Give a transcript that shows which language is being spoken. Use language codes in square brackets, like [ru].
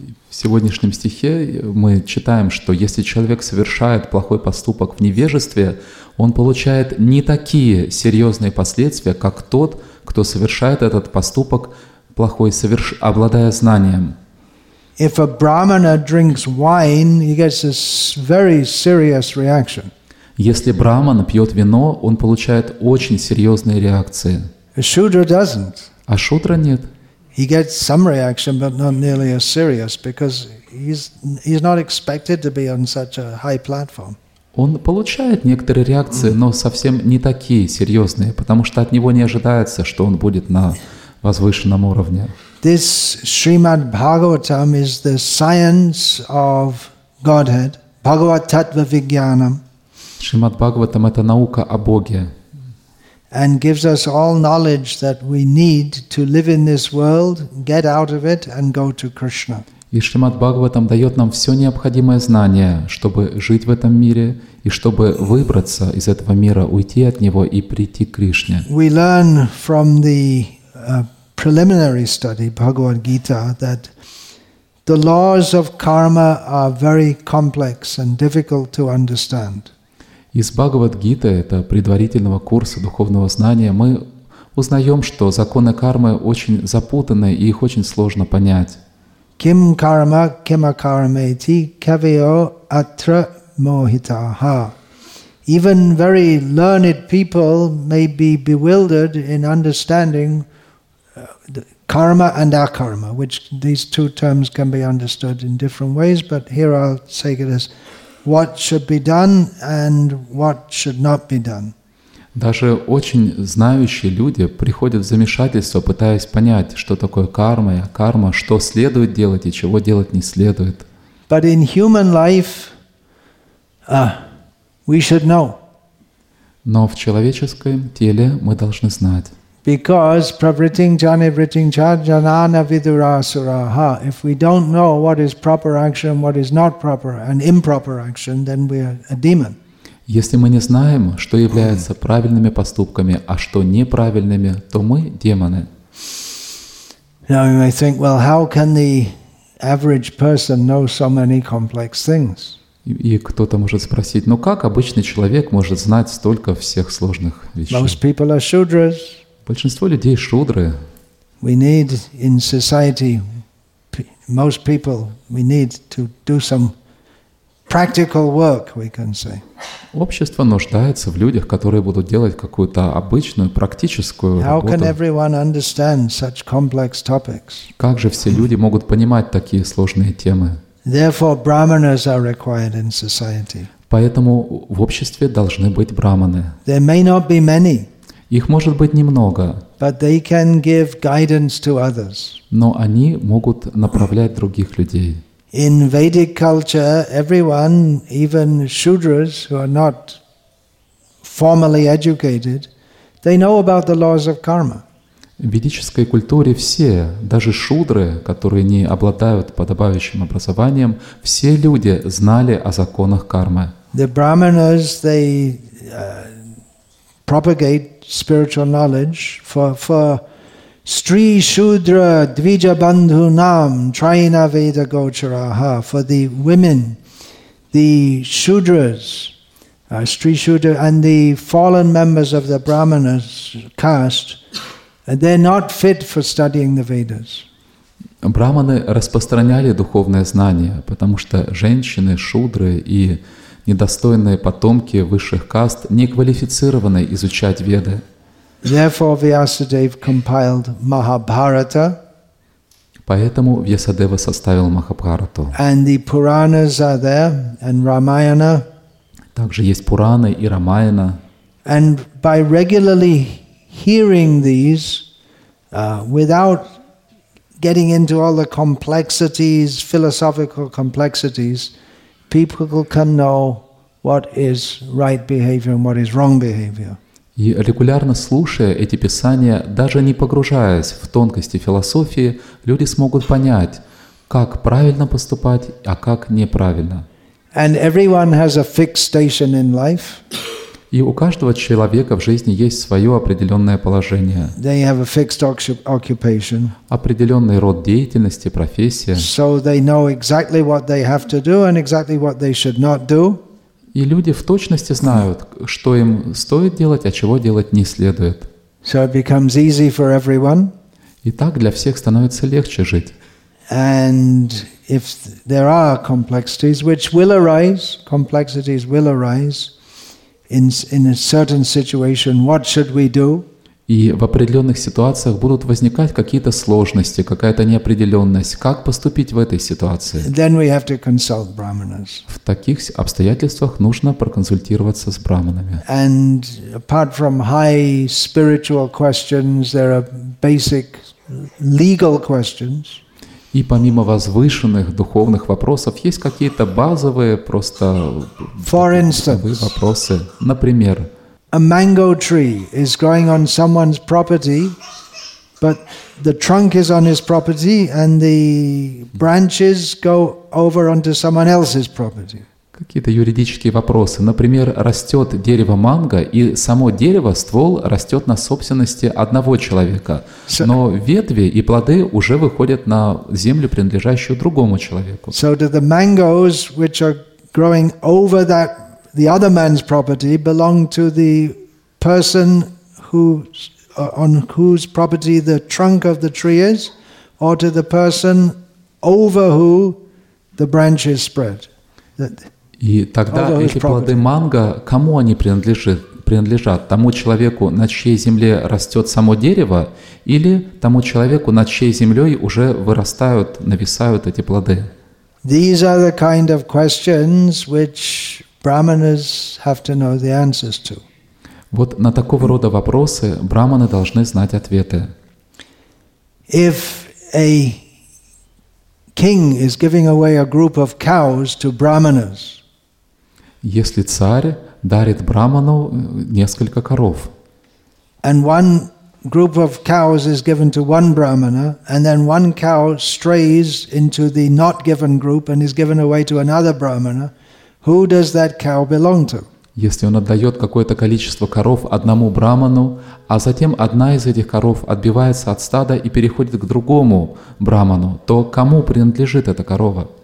[ru] В сегодняшнем стихе мы читаем, что если человек совершает плохой поступок в невежестве, он получает не такие серьезные последствия, как тот, кто совершает этот поступок плохой, обладая знанием. [en] If a brahmana drinks wine, he gets a very serious reaction. [ru] Если брахман пьет вино, он получает очень серьезные реакции. [en] A shudra doesn't. [ru] А шудра нет. [en] He gets some reaction, but not nearly as serious, because he's not expected to be on such a high platform. [ru] Он получает некоторые реакции, но совсем не такие серьезные, потому что от него не ожидается, что он будет на возвышенном уровне. [en] This Srimad Bhagavatam is the science of Godhead, [sa] Bhagavat Tattva Vijnanam. [ru] Srimad Bhagavatam — это наука о Боге. [en] And gives us all knowledge that we need to live in this world, get out of it, and go to Krishna. [ru] И Шримад Бхагаватам дает нам все необходимое знание, чтобы жить в этом мире и чтобы выбраться из этого мира, уйти от него и прийти к Кришне. [en] We learn from the preliminary study Bhagavad Gita that the laws of karma are very complex and difficult to understand. [ru] Из Бхагавад-гиты, это предварительного курса духовного знания, мы узнаем, что законы кармы очень запутаны и их очень сложно понять. [sa] Ким карма кима кармейти кавио атра мохитаха. [en] Even very learned people may be bewildered in understanding karma and akarma, which these two terms can be understood in different ways, but here I'll say it as what should be done and what should not be done. [ru] Даже очень знающие люди приходят в замешательство, пытаясь понять, что такое карма и акарма, что следует делать и чего делать не следует. [en] But in human life, we should know. [ru] Но в человеческом теле мы должны знать. [sa] Because pravritting jani vritting chajanana vidurasuraha. [en] If we don't know what is proper action, what is not proper and improper action, then we are a demon. [ru] Если мы не знаем, что является правильными поступками, а что неправильными, то мы демоны. [en] Now you may think, well, how can the average person know so many complex things? [ru] И кто-то может спросить, ну как обычный человек может знать столько всех сложных вещей? [en] Most people are shudras. [ru] Большинство людей шудры. [en] We need in society, most people, we need to do some practical work, we can say. [ru] Общество нуждается в людях, которые будут делать какую-то обычную, практическую работу. [en] How can everyone understand such complex topics? [ru] Как же все люди могут понимать такие сложные темы? [en] Therefore, brahmanas are required in society. [ru] Поэтому в обществе должны быть брахманы. [en] There may not be many. [ru] Их может быть немного, [en] but they can give guidance to others. [ru] Но они могут направлять других людей. [en] In Vedic culture, everyone, even shudras who are not formally educated, they know about the laws of karma. [ru] В ведической культуре все, даже шудры, которые не обладают подобающим образованием, все люди знали о законах кармы. [en] The brahmanas, they propagate spiritual knowledge for [sa] Sri Shudra Dvijabandhunam Trayina Veda Gocharaha, [en] for the women, the Shudras, Sri Shudra, and the fallen members of the Brahmanas caste, They're not fit for studying the Vedas. [ru] Браманы распространяли духовное знание, потому что женщины, шудры и недостойные потомки высших каст не квалифицированы изучать Веды. [en] Therefore, Vyasadeva compiled Mahabharata. [ru] Поэтому Вьясадева составил Махабхарату. [en] And the Puranas are there, and Ramayana. [ru] Также есть Пураны и Рамаяна. [en] And by regularly hearing these, without getting into all the complexities, philosophical complexities, people can know what is right behavior and what is wrong behavior. [ru] И регулярно слушая эти писания, даже не погружаясь в тонкости философии, люди смогут понять, как правильно поступать, а как неправильно. [en] And everyone has a fixed station in life. [ru] И у каждого человека в жизни есть свое определенное положение. [en] They have a fixed occupation. [ru] Определенный род деятельности, профессия. [en] So they know exactly what they have to do and exactly what they should not do. [ru] И люди в точности знают, что им стоит делать, а чего делать не следует. [en] So it becomes easy for everyone. [ru] И так для всех становится легче жить. [en] And if there are complexities, which will arise, complexities will arise, in a certain situation, what should we do? [ru] И в определенных ситуациях будут возникать какие-то сложности, какая-то неопределенность. Как поступить в этой ситуации? [en] Then we have to consult brahmanas. [ru] В таких обстоятельствах нужно проконсультироваться с брахманами. [en] And apart from high spiritual questions, there are basic legal questions. [ru] И помимо возвышенных духовных вопросов, есть какие-то базовые просто бытовые вопросы. Например, [en] a mango tree is growing on someone's property, but the trunk is on his property, and the branches go over onto someone else's property. [ru] Какие-то юридические вопросы. Например, растет дерево манго, и само дерево, ствол, растет на собственности одного человека. Но ветви и плоды уже выходят на землю, принадлежащую другому человеку. [en] So do the mangoes, which are growing over that the other man's property, belong to the person on whose property the trunk of the tree is, or to the person over who the branches spread? [ru] И тогда эти плоды манго, кому они принадлежат? Тому человеку, на чьей земле растет само дерево, или тому человеку, над чьей землей уже вырастают, нависают эти плоды? [en] These are the kind of questions which brahmanas have to know the answers to. [ru] Вот на такого рода вопросы брахманы должны знать ответы. [en] If a king is giving away a group of cows to brahmanas, [ru] если царь дарит брахману несколько коров, [en] and one group of cows is given to one brahmana, and then one cow strays into the not given group and is given away to another brahmana, who does that cow belong to? [ru] Если он отдает какое-то количество коров одному брахману, а затем одна из этих коров отбивается от стада и переходит к другому брахману, то кому принадлежит эта корова?